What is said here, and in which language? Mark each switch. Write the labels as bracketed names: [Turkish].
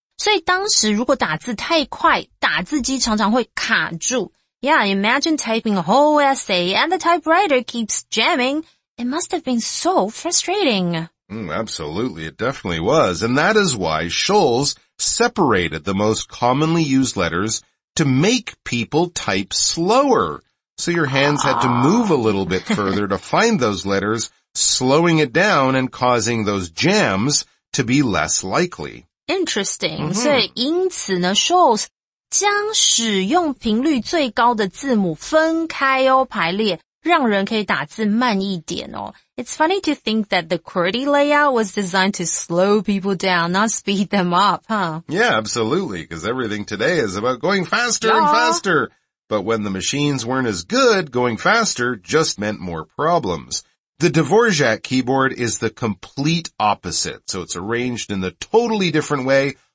[Chinese] 所以当时如果打字太快，打字机常常会卡住。 [English] Yeah, imagine typing a whole essay and the typewriter keeps jamming. It must have been so frustrating. Absolutely, it definitely was. And that is why Sholes separated the most commonly used letters to make people type slower. So your hands had to move a little bit further to find those letters slowing it down and causing those jams to be less likely. Interesting.、Mm-hmm. [Chinese] 所以因此呢 ,Shoals 将使用频率最高的字母分开哦排列让人可以打字慢一点哦。 [English] It's funny to think that the QWERTY layout was designed to slow people down, not speed them up, huh? Yeah, absolutely, because everything today is about going faster、yeah. and faster. But when the machines weren't as good, going faster just meant more problems. The Dvorak keyboard is the complete opposite, so it's arranged in a totally different way.